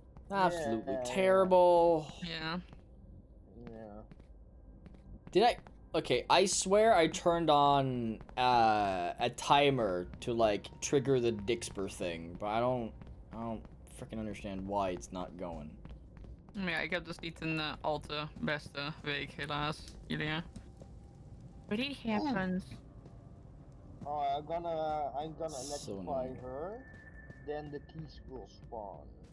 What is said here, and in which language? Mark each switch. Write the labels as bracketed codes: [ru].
[en] Absolutely terrible. Yeah. Yeah. Did I? Okay, I swear I turned on a timer to like trigger the Dixper thing, but I don't freaking understand why it's not going. [nl] Yeah, ik heb dus niet een al te beste week helaas, Julia. [en] What happens? Oh, I'm gonna electrify her, then the keys will spawn.